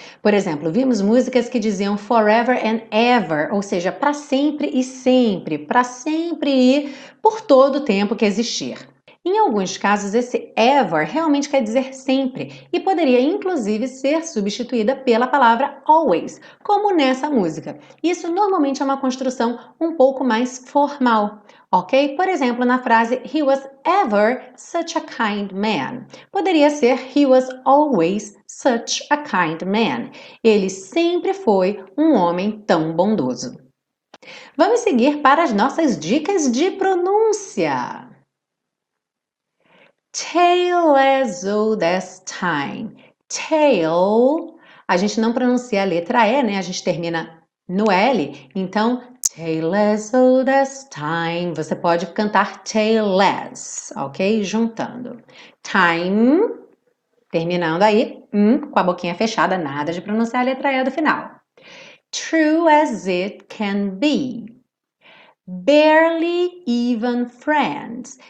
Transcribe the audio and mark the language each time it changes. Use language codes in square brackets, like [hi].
[pt] Por exemplo, vimos músicas que diziam [en] forever and ever, [pt] ou seja, para sempre e sempre, para sempre e por todo o tempo que existir. Em alguns casos, esse ever realmente quer dizer sempre e poderia inclusive ser substituída pela palavra always, como nessa música. Isso normalmente é uma construção um pouco mais formal, ok? Por exemplo, na frase [en] He was ever such a kind man. [pt] Poderia ser [en] He was always such a kind man. [pt] Ele sempre foi um homem tão bondoso. Vamos seguir para as nossas dicas de pronúncia. [en] Tale as old as time. [pt] Tale, a gente não pronuncia a letra E, né? A gente termina no L. Então, [en] tale as old as time. [pt] Você pode cantar tales, ok? Juntando. Time, terminando aí, com a boquinha fechada, nada de pronunciar a letra E do final. [en] True as it can be. Barely even friends.